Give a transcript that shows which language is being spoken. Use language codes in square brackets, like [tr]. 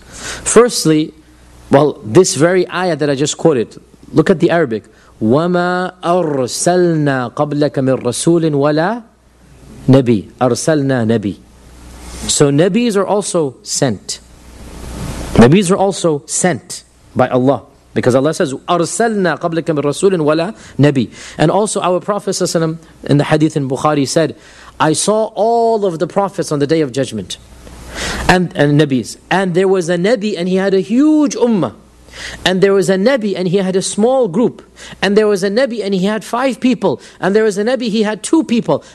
[en] Firstly, well, this very ayah that I just quoted, look at the Arabic. [ar] وَمَا أَرْسَلْنَا قَبْلَكَ مِنْ رَسُولٍ وَلَا نَبِي. [en] أَرْسَلْنَا نَبِي. So Nabis are also sent. Nabis are also sent by Allah. [ar] Because Allah says, أَرْسَلْنَا قَبْلَكَ مِنْ رَسُولٍ وَلَا نَبِي. [en] And also our Prophet ﷺ in the hadith in Bukhari said, I saw all of the prophets on the day of judgment. And Nabis. And there was a Nabi and he had a huge ummah. And there was a Nabi and he had a small group. And there was a Nabi and he had five people. And there was a Nabi, he had two people.